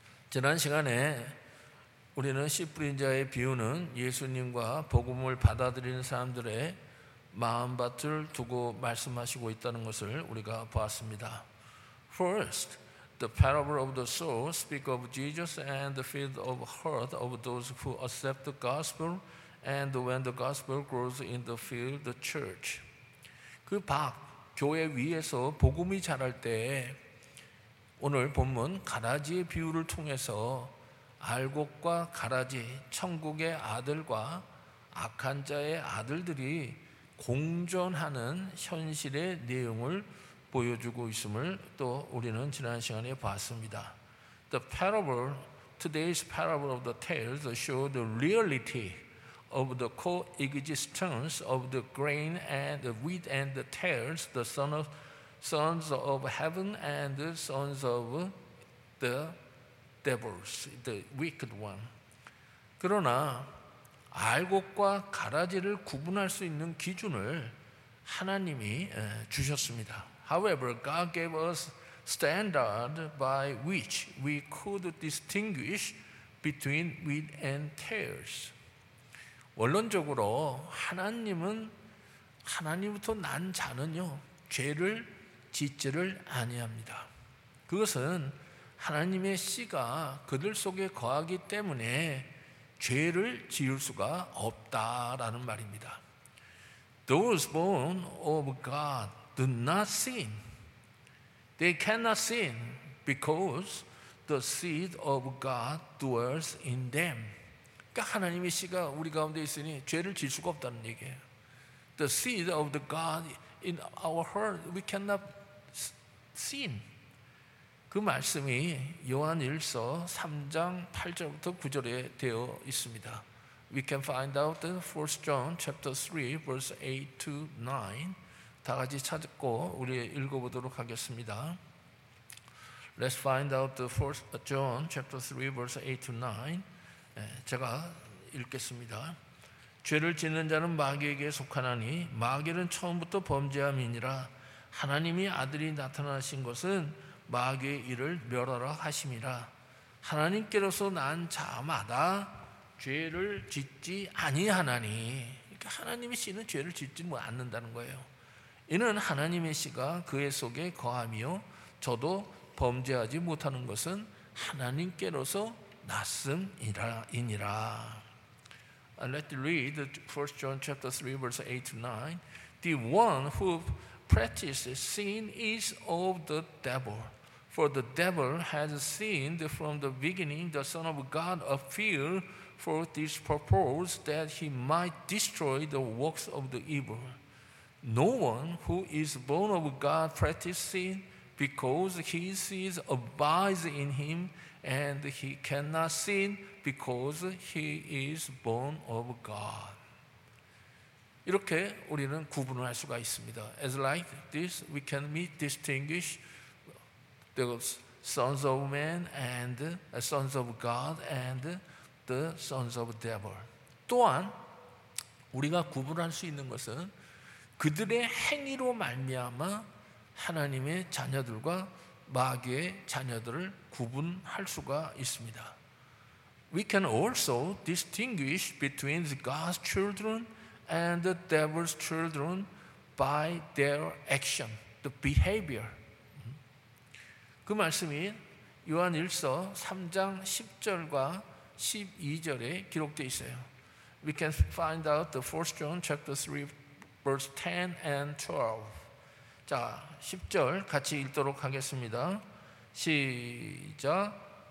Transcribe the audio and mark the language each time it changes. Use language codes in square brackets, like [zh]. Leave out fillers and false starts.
[ko] 지난 시간에 우리는 씨 뿌린 자의 비유는 예수님과 복음을 받아들이는 사람들의 마음밭을 두고 말씀하시고 있다는 것을 우리가 보았습니다. [en] First, the parable of the sower speaks of Jesus and the field of heart of those who accept the gospel and when the gospel grows in the field, the church. [ko] 그 밭, 교회 위에서 복음이 자랄 때 오늘 본문 가라지의 비유를 통해서 알곡과 가라지, 천국의 아들과 악한 자의 아들들이 공존하는 현실의 내용을 보여주고 있음을 또 우리는 지난 시간에 봤습니다. [en] The parable, today's parable of the tares show the reality of the coexistence of the grain and the wheat and the tares, the sons of heaven and the sons of the devils, the wicked one. [ko] 그러나 알곡과 가라지를 구분할 수 있는 기준을 하나님이 주셨습니다. [en] However, God gave us standard by which we could distinguish between wheat and tares. [ko] 원론적으로 하나님은 하나님부터 난 자는요 죄를 짓지를 아니합니다. 그것은 하나님의 씨가 그들 속에 거하기 때문에 죄를 지을 수가 없다라는 말입니다. [en] Those born of God do not sin. They cannot sin because the seed of God dwells in them. [ko] 그러니까 하나님의 씨가 우리 가운데 있으니 죄를 지을 수가 없다는 얘기예요. [en] The seed of the God in our heart, we cannot sin. [ko] 그 말씀이 요한일서 3장 8절부터 9절에 되어 있습니다. [en] We can find out the 1 John chapter 3 verse 8 to 9. [ko] 다 같이 찾고 우리 읽어 보도록 하겠습니다. [en] Let's find out the 1 John chapter 3 verse 8 to 9. [ko] 제가 읽겠습니다. 죄를 짓는 자는 마귀에게 속하나니 마귀는 처음부터 범죄함이니라 하나님이 아들이 나타나신 것은 마귀의 일을 멸하라 하심이라 하나님께로서 난 자마다 죄를 짓지 아니하나니 그러니까 하나님의 씨는 죄를 짓지 않는다는 거예요. 이는 하나님의 씨가 그의 속에 거함이요 저도 범죄하지 못하는 것은 하나님께로서 났음이라이니라. [en] Let's read 1 John chapter 3 verse 8 to 9. The one who practices sin is of the devil. For the devil has sinned from the beginning. The Son of God appeared for this purpose that he might destroy the works of the evil. No one who is born of God practices sin because his seed abides in him and he cannot sin because he is born of God. [ko] 이렇게 우리는 구분을 할 수가 있습니다. [en] As like this, we can distinguish the sons of man and sons of God and the sons of devil. [ko] 또한 우리가 구분할 수 있는 것은 그들의 행위로 말미암아 하나님의 자녀들과 마귀의 자녀들을 구분할 수가 있습니다. [en] We can also distinguish between God's children and the devil's children by their action, the behavior. [ko] 그 말씀이 요한일서 3장 10절과 12절에 기록되어 있어요. [en] We can find out the 1 John chapter 3 verse 10 and 12. [ko] 자, 10절 같이 읽도록 하겠습니다. 시작.